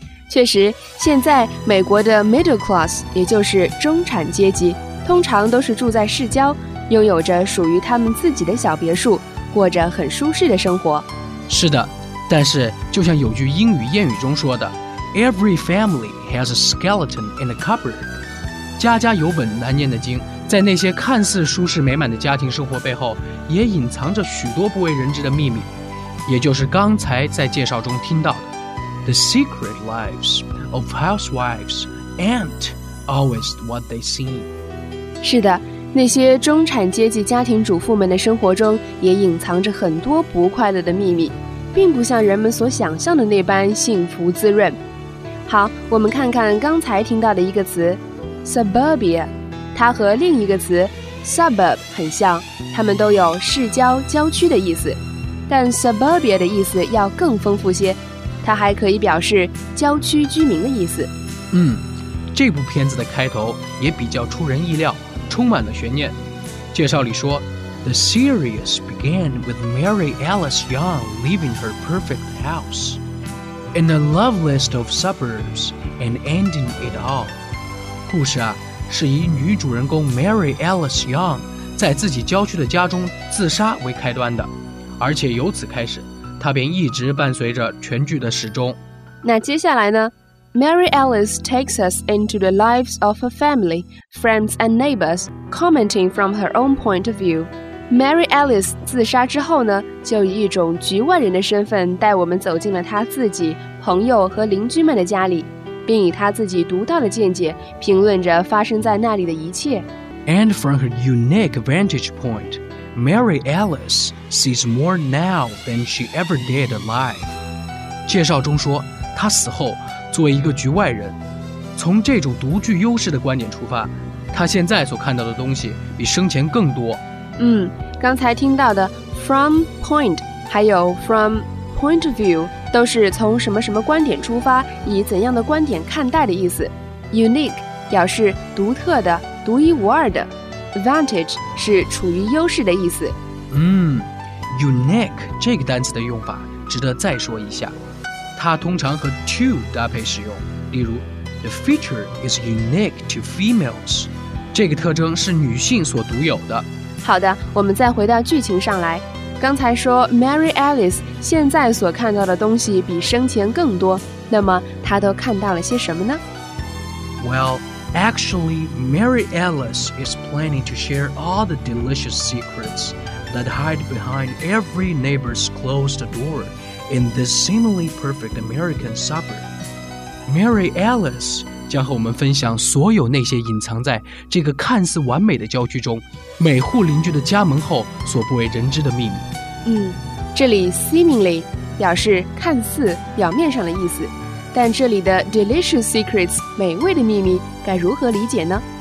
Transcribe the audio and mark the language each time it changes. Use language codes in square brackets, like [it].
[zh] 确实，现在美国的 middle class， 也就是中产阶级，通常都是住在市郊，拥有着属于他们自己的小别墅，过着很舒适的生活。是的，但是就像有句英语谚语中说的 ， [en] Every family has a skeleton in the cupboard， [zh] 家家有本难念的经。在那些看似舒适美满的家庭生活背后，也隐藏着许多不为人知的秘密。也就是刚才在介绍中听到的 [en] The secret lives of housewives aren't always what they seem。 [zh] 是的，那些中产阶级家庭主妇们的生活中也隐藏着很多不快乐的秘密，并不像人们所想象的那般幸福滋润。好，我们看看刚才听到的一个词 suburbia， 它和另一个词 suburb 很像，它们都有市郊、郊区的意思，但 suburbia 的意思要更丰富些，它还可以表示郊区居民的意思。这部片子的开头也比较出人意料，充满了悬念。介绍里说 [en] The series began with Mary Alice Young leaving her perfect house in the loveliest of suburbs and ending it all。 [zh] 故事啊，是以女主人公 Mary Alice Young 在自己郊区的家中自杀为开端的，而且由此开始，他便一直伴随着全剧的始终。那接下来呢？ [en] Mary Alice takes us into the lives of her family, friends and neighbors, commenting from her own point of view. [zh] Mary Alice 自杀之后呢，就以一种局外人的身份带我们走进了她自己、朋友和邻居们的家里，并以她自己独到的见解评论着发生在那里的一切。 [en] And from her unique vantage point,Mary Alice sees more now than she ever did alive. [zh] 介绍中说，她死后作为一个局外人，从这种独具优势的观点出发，他现在所看到的东西比生前更多。嗯，刚才听到的 from point 还有 [en] from point of view [zh] 都是从什么什么观点出发，以怎样的观点看待的意思。 unique 表示独特的，独一无二的。 advantage 是处于优势的意思。嗯， unique 这个单词的用法值得再说一下，它通常和 to 搭配使用，例如 [en] the feature is unique to females， [zh] 这个特征是女性所独有的。好的，我们再回到剧情上来。刚才说 Mary Alice 现在所看到的东西比生前更多，那么她都看到了些什么呢？ [en] Well, actually, Mary Alice is planning to share all the delicious secrets that hide behind every neighbor's closed door in this seemingly perfect American suburb. [zh] Mary Alice将和我们分享所有那些隐藏在这个看似完美的郊区中每户邻居的家门后所不为人知的秘密。嗯，这里 seemingly 表示看似表面上的意思，但这里的 [en] delicious secrets [zh] 美味的秘密该如何理解呢？